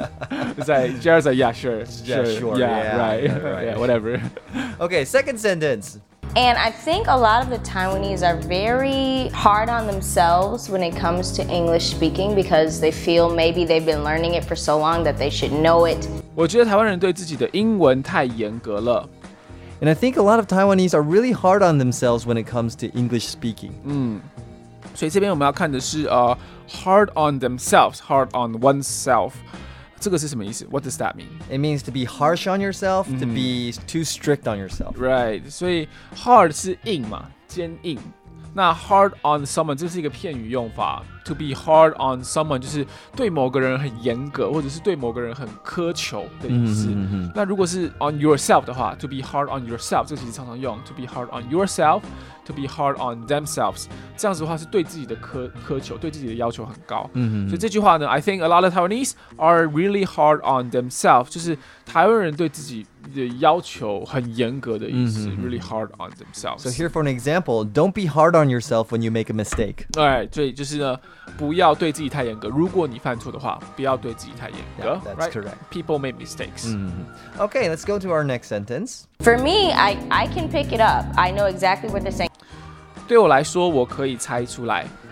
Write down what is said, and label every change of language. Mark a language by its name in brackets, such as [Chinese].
[English] It's like Jared's like, yeah, sure, yeah, sure, sure yeah, yeah, right, yeah, right. yeah, whatever. Okay, second sentence. And I think a lot of the Taiwanese are very hard on themselves when it comes to English speaking because they feel maybe they've been learning it for so long that they should know it. [Chinese] 我觉得台湾人对自己的英文太严格了。 [English] And I think a lot of Taiwanese are really hard on themselves when it comes to English speaking. [Chinese] 所以这边我们要看的是 [English] hard on themselves, hard on oneself. [Chinese] 这个是什么意思? [English] What does that mean? It means to be harsh on yourself,、mm-hmm. to be too strict on yourself. [Chinese] Right. 所以 hard 是硬嘛,坚硬。那 hard on someone, 这是一个片语用法。 [English] To be hard on someone, [Chinese] 就是对某个人很严格,或者是对某个人很苛求的意思。 Mm-hmm. 那如果是 on yourself 的话, [English] to be hard on yourself, [Chinese] 这个其实常常用。 [English] To be hard on yourself, to be hard on themselves. [Chinese] 这样子的话是对自己的 苛求,对自己的要求很高。 Mm-hmm. 所以这句话呢, [English] I think a lot of Taiwanese are really hard on themselves. [Chinese] 就是台湾人对自己的要求很严格的意思。 [English] Mm-hmm. Really hard on themselves. So here for an example, don't be hard on yourself when you make a mistake. Alright, [Chinese] 所以就是呢不要对自己太严格。如果你犯错的话，不要对自己太严格。 [English] Yeah, that's right? correct. People make mistakes.、 Mm-hmm. Okay, let's go to our next sentence. For me, I can pick it up. I know exactly what they're saying. [Chinese] 对我来说，我可以猜出来。